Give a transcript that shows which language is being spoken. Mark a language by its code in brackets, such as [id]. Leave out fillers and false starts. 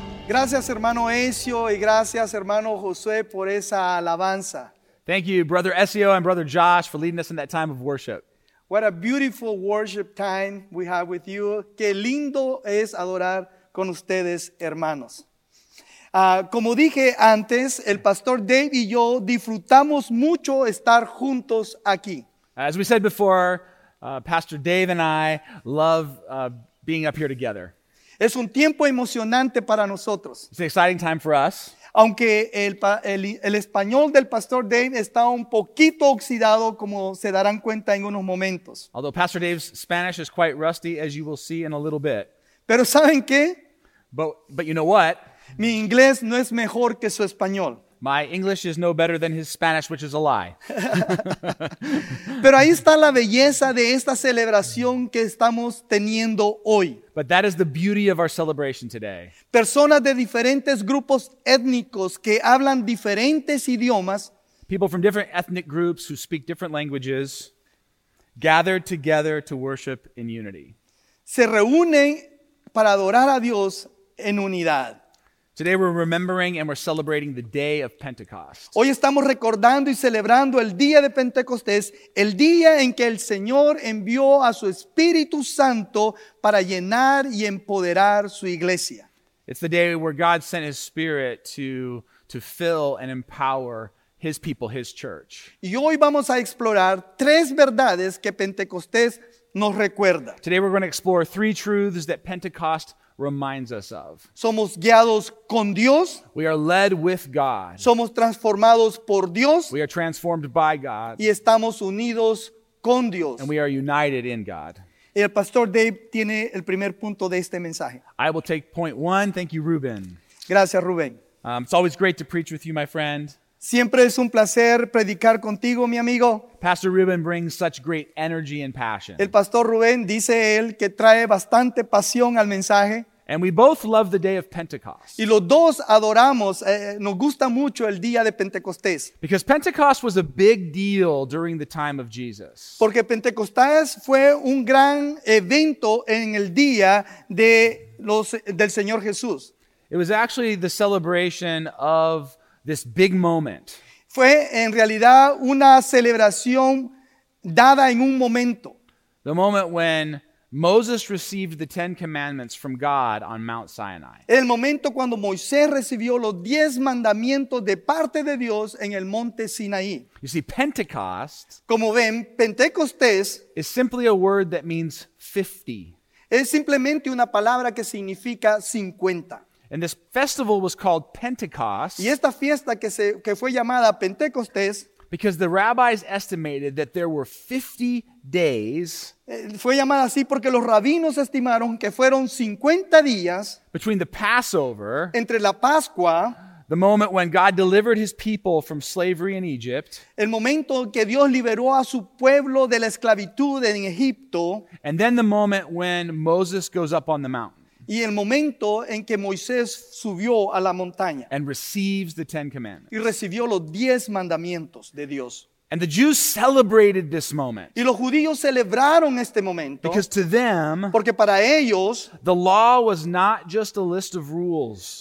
[es] Gracias, hermano Ezio, y gracias, hermano José, por esa alabanza. [en] Thank you, brother Ezio and brother Josh, for leading us in that time of worship. What a beautiful worship time we have with you. [es] Qué lindo es adorar con ustedes, hermanos. Como dije antes, el pastor Dave y yo disfrutamos mucho estar juntos aquí. [en] As we said before, Pastor Dave and I love being up here together. [es] Es un tiempo emocionante para nosotros. [en] It's an exciting time for us. [es] Aunque el español del pastor Dave está un poquito oxidado, como se darán cuenta en unos momentos. [en] Although Pastor Dave's Spanish is quite rusty, as you will see in a little bit. [es] Pero ¿saben qué? [en] But you know what? [es] Mi inglés no es mejor que su español. [en] My English is no better than his Spanish, which is a lie. [es] Pero ahí está la belleza de esta celebración que estamos teniendo hoy. [en] But that is the beauty of our celebration today. [es] Personas de diferentes grupos étnicos que hablan diferentes idiomas. [en] People from different ethnic groups who speak different languages gathered together to worship in unity. [es] Se reúnen para adorar a Dios en unidad. [en] Today we're remembering and we're celebrating the day of Pentecost. [es] Hoy estamos recordando y celebrando el día de Pentecostés, el día en que el Señor envió a su Espíritu Santo para llenar y empoderar su iglesia. [en] It's the day where God sent his Spirit to fill and empower his people, his church. [es] Y hoy vamos a explorar tres verdades que Pentecostés nos recuerda. [en] Today we're going to explore three truths that Pentecost reminds us of. [es] Somos guiados con Dios. [en] We are led with God. [es] Somos transformados por Dios. [en] We are transformed by God. [es] Y estamos unidos con Dios. [en] And we are united in God. [es] El pastor Dave tiene el primer punto de este mensaje. [en] I will take point one. Thank you, Ruben. [es] Gracias, Ruben. [en] It's always great to preach with you, my friend. [es] Siempre es un placer predicar contigo, mi amigo. [en] Pastor Ruben brings such great energy and passion. [es] El pastor Ruben dice él que trae bastante pasión al mensaje. [en] And we both love the day of Pentecost. [es] Y los dos adoramos, nos gusta mucho el día de Pentecostés. [en] Because Pentecost was a big deal during the time of Jesus. [es] Porque Pentecostés fue un gran evento en el día de del Señor Jesús. [en] It was actually the celebration of this big moment. [es] Fue en realidad una celebración dada en un momento. [en] The moment when Moses received the Ten Commandments from God on Mount Sinai. [es] El momento cuando Moisés recibió los 10 mandamientos de parte de Dios en el monte Sinaí. [en] You see, Pentecost, [es] como ven, Pentecostés, [en] is simply a word that means 50. [es] Es simplemente una palabra que significa 50. [en] And this festival was called Pentecost. [es] Y esta fiesta que fue llamada Pentecostés. [en] Because the rabbis estimated that there were 50 days. [es] Fue llamada así porque los rabinos estimaron que fueron 50 días. [en] Between the Passover. [es] Entre la Pascua. [en] The moment when God delivered his people from slavery in Egypt. [es] El momento que Dios liberó a su pueblo de la esclavitud en Egipto. [en] And then the moment when Moses goes up on the mountain. [es] Y el momento en que Moisés subió a la montaña. [en] And receives the Ten Commandments. [es] Y recibió los 10 mandamientos de Dios. [en] And the Jews celebrated this moment. [es] Y los judíos celebraron este momento. [en] Because to them, [es] porque para ellos, [en] the law was not just a list of rules.